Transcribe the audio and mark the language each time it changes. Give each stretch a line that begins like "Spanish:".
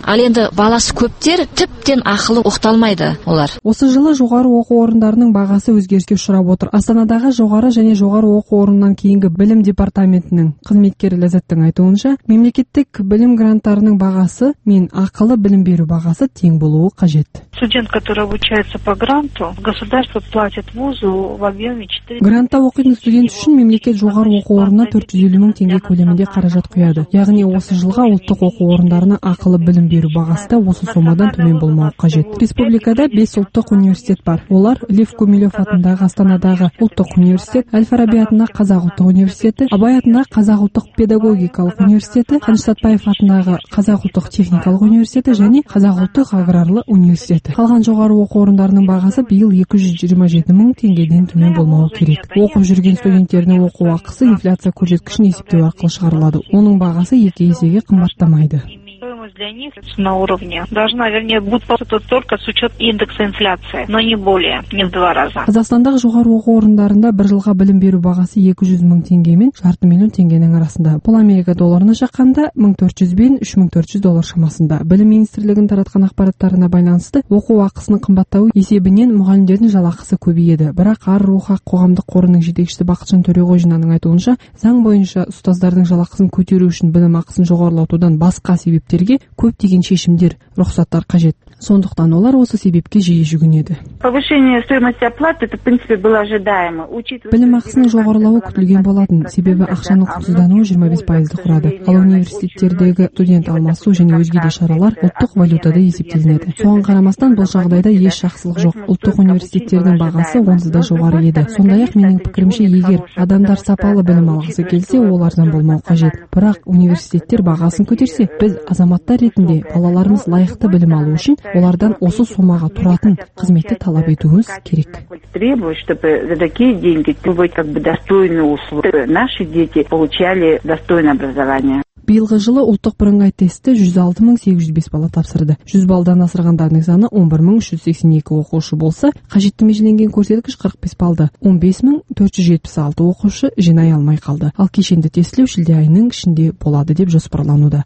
Kazakh: Ал енді баласы көптер тіптен ақылы оқталмайды олар. Осы жылы жоғары оқу орындарының бағасы өзгеріске ұшырап отыр. Астанадағы жоғары және жоғары оқу орны Оның кейінгі білім департаментінің қызметкері Ләззаттың айтуынша, мемлекеттік білім гранттарының бағасы мен ақылы білім беру бағасы тең болуы қажет.
Russian: Студент, который обучается по гранту, государство платит вузу в объеме 4.
Kazakh: Грантта оқитын студент үшін мемлекет жоғары оқу орнына 450 мың теңге көлемінде қаражат құяды. Яғни осы жылға ұлттық оқу орындарына ақылы білім беру бағасы да осы сомадан төмен болмауы қажет. Республикада 5 ұлттық университет бар. Олар Лев Гумилев атындағы Астанадағы ұлттық университет, Әл-Фараби атындағы Қазақ ұлттық университеті, Абай атындағы Қазақ ұлттық педагогикалық университеті, Қаныш Сәтбаев атындағы Қазақ ұлттық техникалық университеті және Қазақ ұлттық аграрлы университеті. Қалған жоғары оқу орындарының бағасы биыл 227 мың теңгеден төмен болмауы керек. Оқып жүрген студенттердің оқу ақысы инфляция көрсеткішін есептеу арқылы шығарылады. Оның бағасы 2 есеге қымбаттамайды.
Russian: Для них на уровне должна, вернее, будет просто только с учет индекса инфляции, но не более, не в два раза.
Kazakh: Қазақстандағы жоғары оқу орындарында бір жылға білім беру бағасы 200 мың теңге мен жарты миллион теңгенің арасында. Бұл Америка долларына шаққанда 1400 бен 3400 доллар шамасында. Білім министрлігінің таратқан ақпараттарына байланысты оқу ақысының қымбаттауы есебінен мұғалімдердің жалақысы көбейеді. Бірақ Ар-Руха қоғамдық қорының жетекшісі Бақытжан Төреғожинаның айтуынша, заң бойынша ұстаздардың жалақысын көтеру үшін білім ақысын жоғарылатудан басқа себептер көп деген шешімдер, рұқсаттар қажет. Сондықтан олар осы себепке жиі жүгінеді.
Russian: Повышение стоимости оплаты это, в принципе, было ожидаемо.
Kazakh: Білім ақысының жоғарылауы күтілген болатын, себебі ақшаның құнсыздануы 25%-ді құрады. Ал университеттердегі студент алмасу және өзге де шаралар ұлттық валютада есептелінеді. Соған қарамастан, бұл жағдайда еш жақсылық жоқ. Ұлттық университеттердің бағасы онсыз да жоғары еді. Сондай-ақ, менің пікірімше, егер адамдар сапалы білім алғысы келсе, олардан болмау қажет. Бірақ университеттер бағасын көтерсе, біз азаматтар ретінде балаларымыз лайықты білім алу үшін олардан осы сомаға тұратын қызметті талап етуіңіз керек.
Russian: Требую, чтобы за такие деньги были как бы достойные условия. Наши дети получали достойное образование.
Kazakh: Биылғы жылы ұлттық бірыңғай тестті 106805 бала тапсырды. 100 балдан асырғандардың саны 11382 оқушы болса, қажетті межеленген көрсеткіш 45 балды. 15476 оқушы жинай алмай қалды. Ал кешенді тестілеу шілде айының ішінде болады деп жоспарлануда.